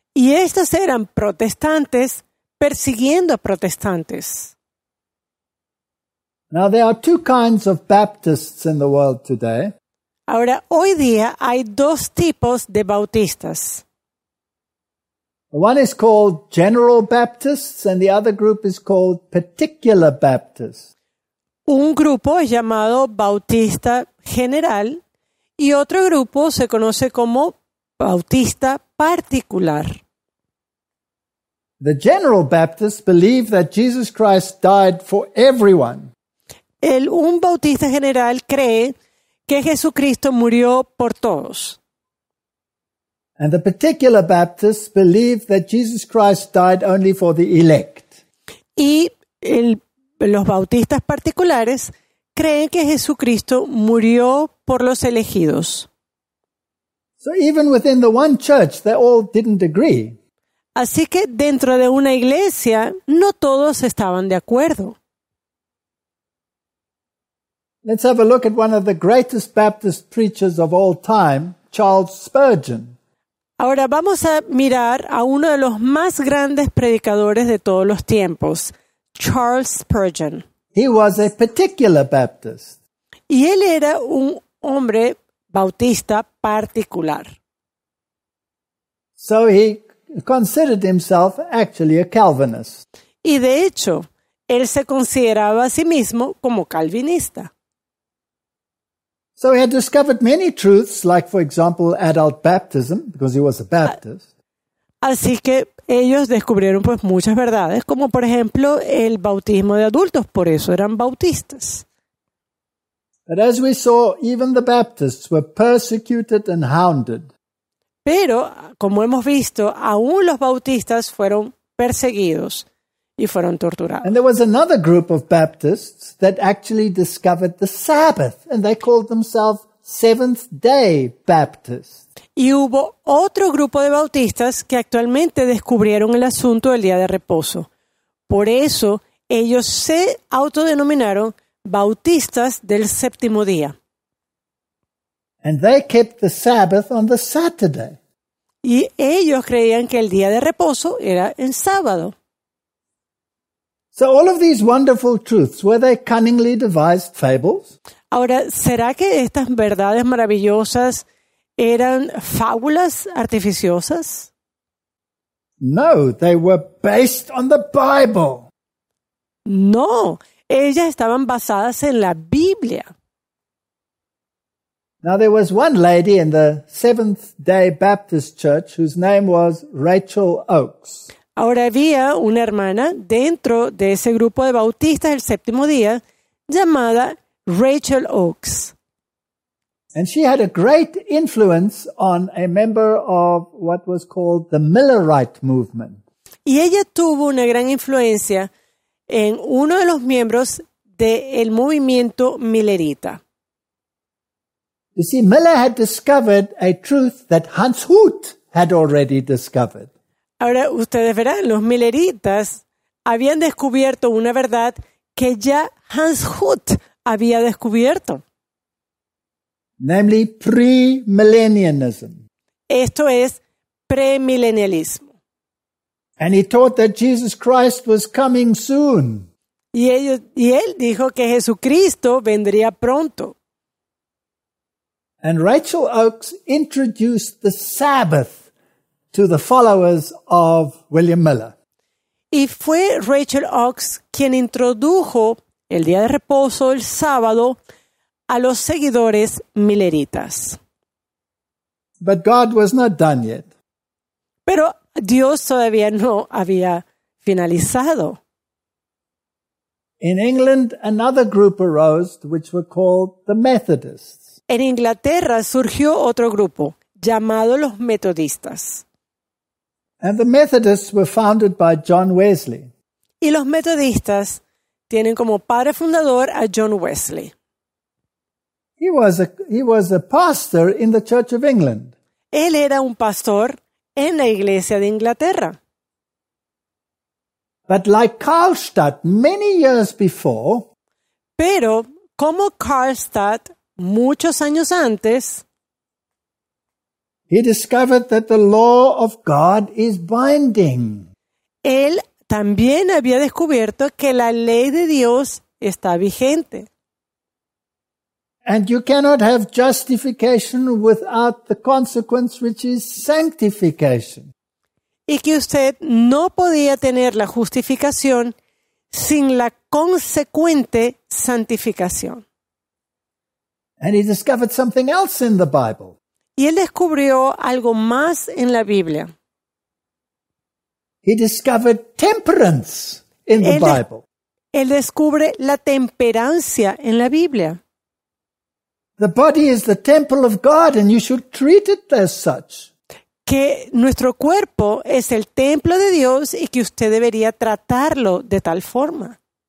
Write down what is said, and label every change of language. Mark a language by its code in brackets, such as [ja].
[es] Y estos eran protestantes persiguiendo a protestantes. [en] Now there are two kinds of Baptists in the world today. [es] Ahora, hoy día hay dos tipos de bautistas. [en] One is called General Baptists and the other group is called Particular Baptists. [es] Un grupo es llamado Bautista General y otro grupo se conoce como Bautista Particular. [en] The General Baptists believe that Jesus Christ died for everyone. [es] Un Bautista General cree que Jesucristo murió por todos. [en] And the particular Baptists believe that Jesus Christ died only for the elect. [es] Y los bautistas particulares creen que Jesucristo murió por los elegidos. [en] So even within the one church, they all didn't agree. [es] Así que dentro de una iglesia, no todos estaban de acuerdo. [en] Let's have a look at one of the greatest Baptist preachers of all time, Charles Spurgeon. [es] Ahora vamos a mirar a uno de los más grandes predicadores de todos los tiempos, Charles Spurgeon. [en] He was a particular Baptist. [es] Y él era un hombre bautista particular. [en] So he considered himself actually a Calvinist. [es] Y de hecho, él se consideraba a sí mismo como calvinista. [en] So he had discovered many truths, like for example, adult baptism, because he was a Baptist. [es] Así que ellos descubrieron pues muchas verdades, como por ejemplo el bautismo de adultos, por eso eran bautistas. [en] But as we saw, even the Baptists were persecuted and hounded. [es] Pero como hemos visto, aún los bautistas fueron perseguidos y fueron torturados. [en] And there was another group of Baptists that actually discovered the Sabbath, and they called themselves Seventh-day Baptists. [es] Y hubo otro grupo de bautistas que actualmente descubrieron el asunto del día de reposo. Por eso, ellos se autodenominaron bautistas del séptimo día. [en] And they kept the Sabbath on the Saturday. [es] Y ellos creían que el día de reposo era el sábado. [en] So all of these wonderful truths, were they cunningly devised fables? [es] Ahora, ¿será que estas verdades maravillosas eran fábulas artificiosas? [en] No, they were based on the Bible. [es] No, ellas estaban basadas en la Biblia. [en] Now there was one lady in the Seventh-day Baptist Church whose name was Rachel Oakes. [es] Ahora había una hermana dentro de ese grupo de bautistas del séptimo día llamada Rachel Oakes. [en] And she had a great influence on a member of what was called the Millerite movement. [es] Y ella tuvo una gran influencia en uno de los miembros del movimiento Millerita. [en] You see, Miller had discovered a truth that Hans Hut had already discovered. [es] Ahora, ustedes verán, los Milleritas habían descubierto una verdad que ya Hans Hut había descubierto. [en] Namely, premillennialism. [es] Esto es premillennialismo. [en] And he taught that Jesus Christ was coming soon. [es] Y él dijo que Jesucristo vendría pronto. [en] And Rachel Oakes introduced the Sabbath to the followers of William Miller. [es] Y fue Rachel Oakes quien introdujo el día de reposo, el sábado, a los seguidores milleritas. [en] But God was not done yet. [es] Pero Dios todavía no había finalizado. [en] In England, another group arose, which were called the Methodists. [es] En Inglaterra surgió otro grupo llamado los metodistas. [en] And the Methodists were founded by John Wesley. [es] Y los metodistas tienen como padre fundador a John Wesley. [en] He was a pastor in the Church of England. [es] Él era un pastor en la Iglesia de Inglaterra. [en] But like Karlstadt, many years before, [es] Pero como Karlstadt, muchos años antes, [en] he discovered that the law of God is binding. [es] Él también había descubierto que la ley de Dios está vigente. [en] And you cannot have justification without the consequence which is sanctification. [es] Y que usted no podía tener la justificación sin la consecuente santificación. [en] And he discovered something else in the Bible. [es] Y él descubrió algo más en la Biblia. [en] He discovered temperance in the Bible. [es] Él descubre la temperancia en la Biblia. [en] The body is the temple of God and you should treat it as such. [es] Que nuestro cuerpo es el templo de Dios y que usted debería tratarlo de tal forma.